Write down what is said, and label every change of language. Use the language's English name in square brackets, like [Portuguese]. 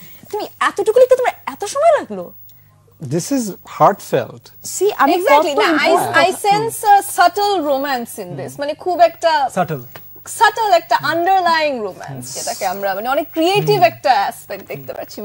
[Bangla] তুমি এতটুকু লিখতে তোমার এত সময় লাগলো [English] This is heartfelt. See, I'm exactly. I sense a subtle romance in this. [Bangla] মানে খুব একটা [English] subtle. [Bangla] subtle একটা underlying romance যেটাকে আমরা মানে অনেক creative একটা aspect দেখতে পাচ্ছি.